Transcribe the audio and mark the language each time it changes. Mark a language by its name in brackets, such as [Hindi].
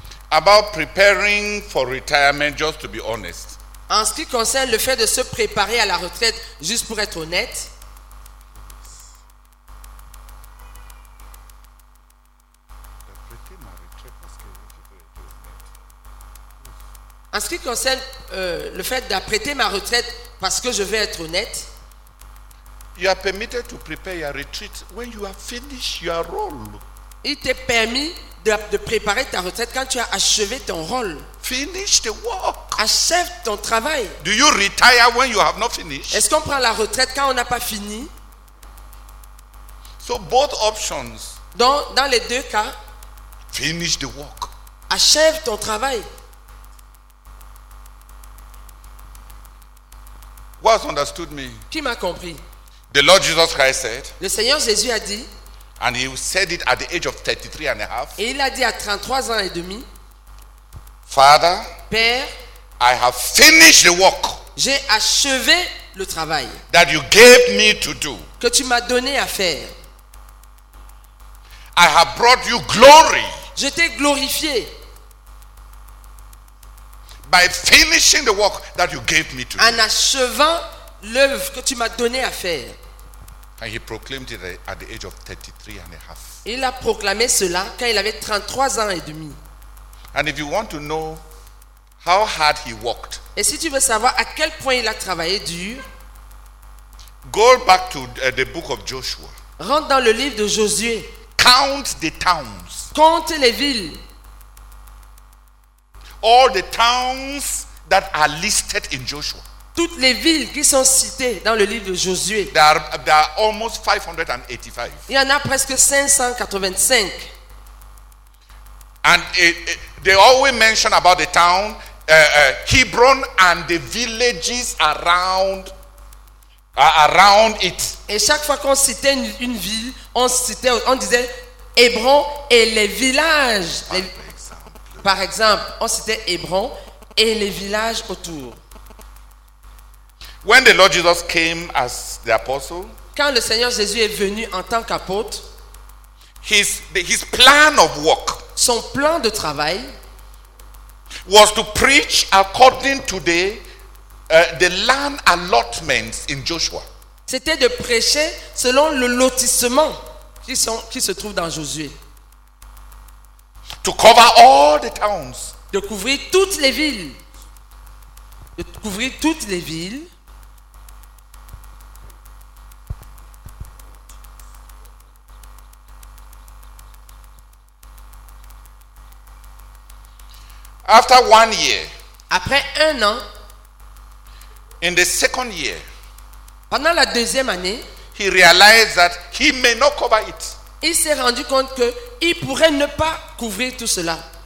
[English] About preparing for retirement, just to be honest. [French] En ce qui concerne le fait de se préparer à la retraite, juste pour être honnête. En ce qui concerne le fait d'apprêter ma retraite parce que je veux être honnête. [English] You are permitted to prepare your retreat when you have finished your role. [French] Il t'est permis de préparer ta retraite quand tu as achevé ton rôle. [English] Finish the work. [French] Achève ton travail. [English] Do you retire when you have not finished? [French] Est-ce qu'on prend la retraite quand on n'a pas fini? [English] So both options. [French] Donc, dans les deux cas, [English] finish the work. [French] Achève ton travail. [English] Who has understood me? [French] Qui m'a compris? [English] The Lord Jesus Christ said. [French] Le Seigneur Jésus a dit. [English] And he said it at the age of 33 and a half. [French] Et il a dit à 33 ans et demi. [English] Father, [French] Père, [English] I have finished the work. [French] J'ai achevé le travail. [English] That you gave me to do. [French] Que tu m'as donné à faire. [English] I have brought you glory. [French] Je t'ai glorifié. [English] By finishing the work that you gave me to [French] do. En achevant l'œuvre que tu m'as donné à faire. [English] And he proclaimed it at the age of 33 and a half. [French] Il a proclamé cela quand il avait 33 ans et demi. [English] And if you want to know how hard he worked, [French] et si tu veux savoir à quel point il a travaillé dur, [English] go back to the book of Joshua. [French] Rentre dans le livre de Josué. [English] Count the towns. [French] Compte les villes. [English] All the towns that are listed in Joshua. [French] Toutes les villes qui sont citées dans le livre de Josué. [English] There are almost 585. [French] Il y en a presque 585. [English] And they always mention about the town Hebron and the villages around it. [French] Et chaque fois qu'on citait une ville, on disait Hébron et les villages. Par exemple, on citait Hébron et les villages autour. [English] When the Lord Jesus came as the apostle, [French] quand le Seigneur Jésus est venu en tant qu'apôtre, [English] his plan of work, [French] son plan de travail, [English] was to preach according to the land allotments in Joshua. [French] C'était de prêcher selon le lotissement qui se trouve dans Josué. [English] To cover all the towns. [French] De couvrir toutes les villes. De couvrir toutes les villes. [English] After 1 year. [French] Après un an. [English] In the second year. [French] Pendant la deuxième année. [English] He realized that he may not cover it. [French] Il s'est rendu compte que il pourrait ne pas couvrir tout cela.